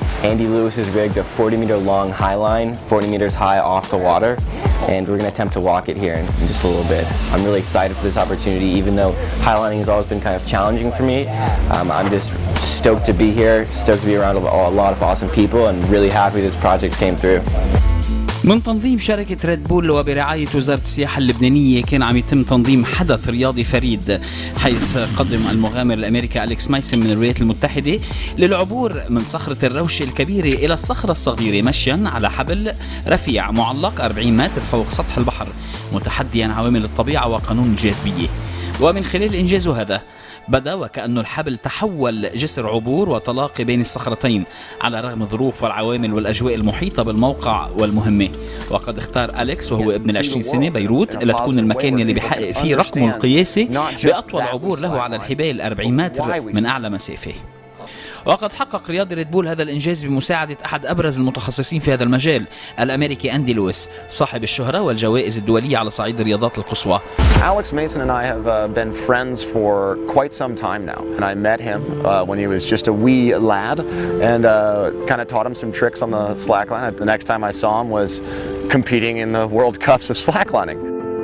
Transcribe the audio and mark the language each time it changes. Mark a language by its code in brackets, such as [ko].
[en] Andy Lewis has rigged a 40-meter long high line, 40 meters high off the water, and we're going to attempt to walk it here in just a little bit. I'm really excited for this opportunity, even though high lining has always been kind of challenging for me. I'm just stoked to be here, stoked to be around a lot of awesome people, and really happy this project came through. [ar] من تنظيم شركة ريد بول وبرعاية وزارة السياحة اللبنانية كان عم يتم تنظيم حدث رياضي فريد، حيث قدم المغامر الأمريكي أليكس مايسن من الولايات المتحدة للعبور من صخرة الروش الكبيرة إلى الصخرة الصغيرة مشيا على حبل رفيع معلق 40 متر فوق سطح البحر، متحديا عوامل الطبيعة وقانون الجاذبية. ومن خلال إنجاز هذا بدأ وكأن الحبل تحول جسر عبور وتلاقي بين الصخرتين على رغم الظروف والعوامل والأجواء المحيطة بالموقع والمهمة. وقد اختار أليكس وهو ابن 20 سنة بيروت لتكون المكان اللي بيحقق فيه رقمه القياسي بأطول عبور له على الحبال 40 متر من أعلى مسافة. وقد حقق رياضي ريد بول هذا الإنجاز بمساعدة أحد أبرز المتخصصين في هذا المجال الأمريكي أندي لويس، صاحب الشهرة والجوائز الدولية على صعيد الرياضات القصوى. [en] Alex Mason and I have been friends for quite some time now, and I met him when he was just a wee lad, and kind of taught him some tricks on the slackline. The next time I saw him was competing in the World Cups of slacklining.